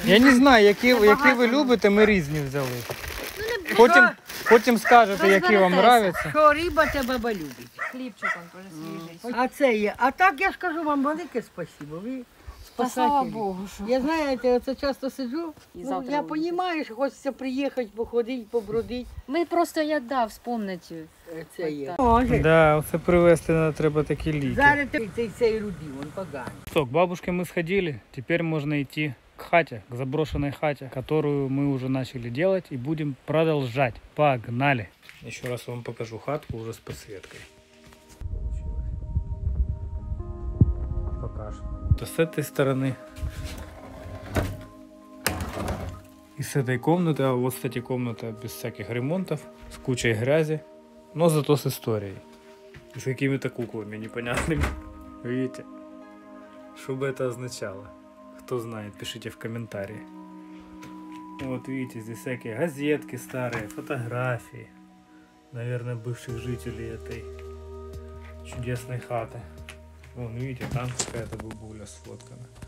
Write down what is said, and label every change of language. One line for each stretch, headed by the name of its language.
Ukrainian: Я не знаю, які ви любите, ми різні взяли. Ну, потім скажете, які вам подобаються. Що риба тебе любить. Хлібчик там теж свіжий. А це є. А так я скажу вам велике спасибо. Ви спасателі. Слава Богу. Що... Я знаєте, я це часто сиджу. Ну, я розумію, що хочеться приїхати, походити, побродити. Ми просто, я дав, спомнити. Це є. Да, це привезти треба такі ліки. Зараз цей рудий, він поганий. Так, бабушки, ми сходили, тепер можна йти к хаті, к заброшеній хаті, яку ми вже почали робити і будемо продовжувати. Погнали! Ще раз вам покажу хатку вже з підсвіткою. Покаж. То з цієї сторони. І з цієї кімнати, а ось, кстати, кімната без всяких ремонтів, з кучою грязі.
Russian: Но зато с историей. С какими-то куклами непонятными. Видите? Что бы это означало? Кто знает, пишите в комментарии. Вот видите, здесь всякие газетки старые, фотографии. Наверное, бывших жителей этой чудесной хаты. Вон, видите, там какая-то бабуля сфоткана.